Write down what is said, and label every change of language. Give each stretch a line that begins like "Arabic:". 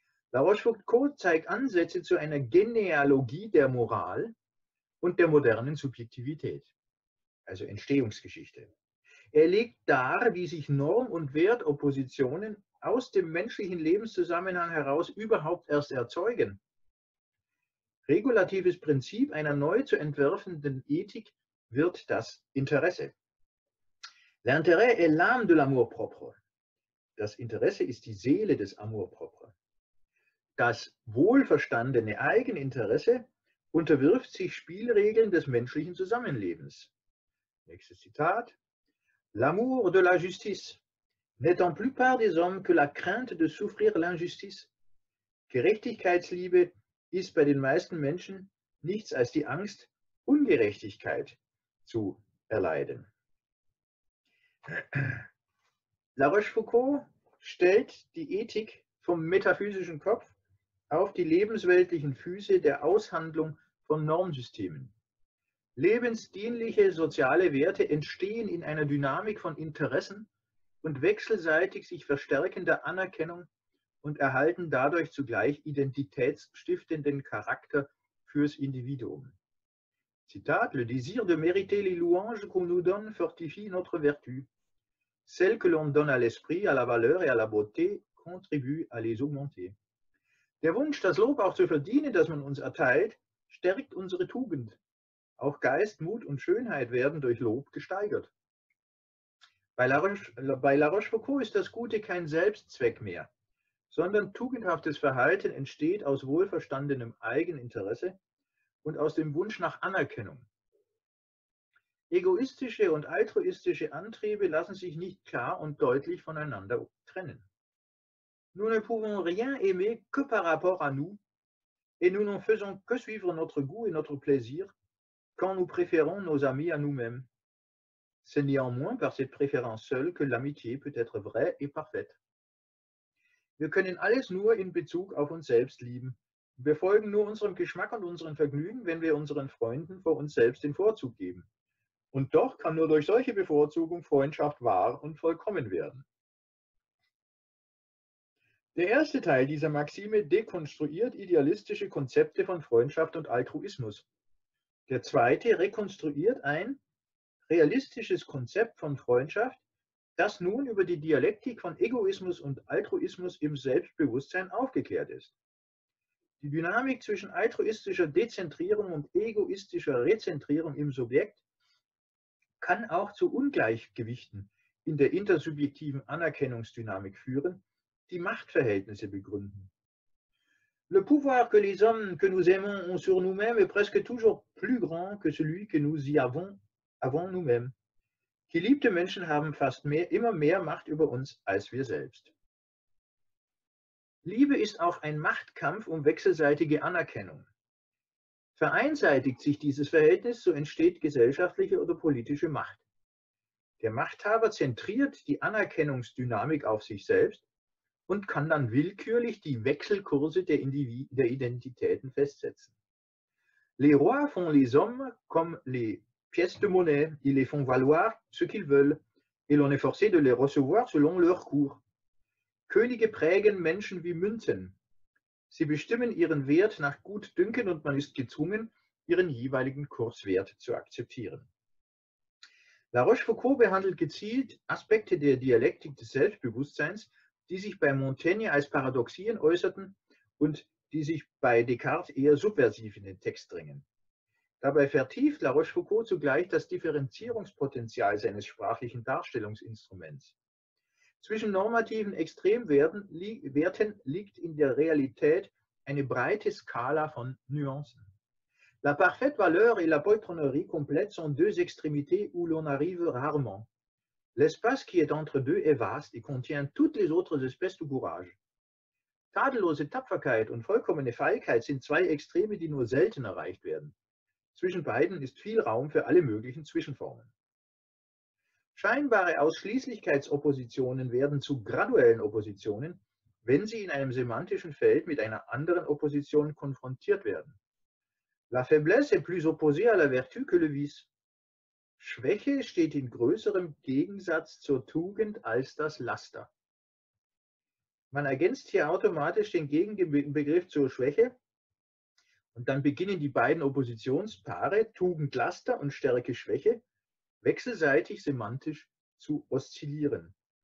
German: La Rochefoucauld zeigt Ansätze zu einer Genealogie der Moral und der modernen Subjektivität, also Entstehungsgeschichte. Er legt dar, wie sich Norm- und Wertoppositionen aus dem menschlichen Lebenszusammenhang heraus überhaupt erst erzeugen. Regulatives Prinzip einer neu zu entwerfenden Ethik wird das Interesse.
French: L'intérêt est l'âme de l'amour propre.
German: Das Interesse ist die Seele des Amour propre. Das wohlverstandene Eigeninteresse unterwirft sich Spielregeln des menschlichen Zusammenlebens. Nächstes Zitat.
French: L'amour de la justice n'étant plus part des hommes que la crainte de souffrir l'injustice.
German: Gerechtigkeitsliebe ist bei den meisten Menschen nichts als die Angst, Ungerechtigkeit zu erleiden. La Rochefoucauld stellt die Ethik vom metaphysischen Kopf auf die lebensweltlichen Füße der Aushandlung von Normsystemen. Lebensdienliche soziale Werte entstehen in einer Dynamik von Interessen und wechselseitig sich verstärkender Anerkennung und erhalten dadurch zugleich identitätsstiftenden Charakter fürs Individuum.
French: Zitat, le désir de mériter les louanges qu'on nous donne fortifie notre vertu. Celles que l'on donne à l'esprit, à la valeur et à la beauté contribue à les augmenter.
German: Der Wunsch, das Lob auch zu verdienen, das man uns erteilt, stärkt unsere Tugend. Auch Geist, Mut und Schönheit werden durch Lob gesteigert. Bei La Rochefoucauld ist das Gute kein Selbstzweck mehr, sondern tugendhaftes Verhalten entsteht aus wohlverstandenem Eigeninteresse und aus dem Wunsch nach Anerkennung. Egoistische und altruistische Antriebe lassen sich nicht klar und deutlich voneinander trennen.
French: Nous ne pouvons rien aimer que par rapport à nous, et nous ne faisons que suivre notre goût et notre plaisir, quand nous préférons nos amis à nous-mêmes. C'est néanmoins par cette préférence seule que l'amitié peut être vraie et parfaite.
German: Wir können alles nur in Bezug auf uns selbst lieben. Wir folgen nur unserem Geschmack und unseren Vergnügen, wenn wir unseren Freunden vor uns selbst den Vorzug geben. Und doch kann nur durch solche Bevorzugung Freundschaft wahr und vollkommen werden. Der erste Teil dieser Maxime dekonstruiert idealistische Konzepte von Freundschaft und Altruismus. Der zweite rekonstruiert ein realistisches Konzept von Freundschaft, das nun über die Dialektik von Egoismus und Altruismus im Selbstbewusstsein aufgeklärt ist. Die Dynamik zwischen altruistischer Dezentrierung und egoistischer Rezentrierung im Subjekt kann auch zu Ungleichgewichten in der intersubjektiven Anerkennungsdynamik führen, die Machtverhältnisse begründen.
French: Le pouvoir que les hommes que nous aimons ont sur nous-mêmes est presque toujours plus grand que celui que nous y avons avant nous-mêmes.
German: Geliebte Menschen haben fast immer mehr Macht über uns als wir selbst. Liebe ist auch ein Machtkampf um wechselseitige Anerkennung. Vereinseitigt sich dieses Verhältnis, so entsteht gesellschaftliche oder politische Macht. Der Machthaber zentriert die Anerkennungsdynamik auf sich selbst und kann dann willkürlich die Wechselkurse der Identitäten festsetzen.
French: Les rois font les hommes comme les pièces de monnaie, ils les font valoir ce qu'ils veulent, et l'on est forcé de les recevoir selon leur cours.
German: Könige prägen Menschen wie Münzen. Sie bestimmen ihren Wert nach Gutdünken und man ist gezwungen, ihren jeweiligen Kurswert zu akzeptieren. La Rochefoucauld behandelt gezielt Aspekte der Dialektik des Selbstbewusstseins, die sich bei Montaigne als Paradoxien äußerten und die sich bei Descartes eher subversiv in den Text drängen. Dabei vertieft La Rochefoucauld zugleich das Differenzierungspotenzial seines sprachlichen Darstellungsinstruments. Zwischen normativen Extremwerten liegt in der Realität eine breite Skala von Nuancen.
French: La parfaite valeur et la poltronnerie complète sont deux extrémités où l'on arrive rarement. L'espace qui est entre deux est vaste et contient toutes les autres espèces de courage.
German: Tadellose Tapferkeit und vollkommene Feigheit sind zwei Extreme, die nur selten erreicht werden. Zwischen beiden ist viel Raum für alle möglichen Zwischenformen. Scheinbare Ausschließlichkeitsoppositionen werden zu graduellen Oppositionen, wenn sie in einem semantischen Feld mit einer anderen Opposition konfrontiert werden.
French: La faiblesse est plus opposée à la vertu que le vice.
German: Schwäche steht in größerem Gegensatz zur Tugend als das Laster. Man ergänzt hier automatisch den Gegenbegriff zur Schwäche und dann beginnen die beiden Oppositionspaare, Tugendlaster und Stärke-Schwäche, wechselseitig semantisch zu oszillieren.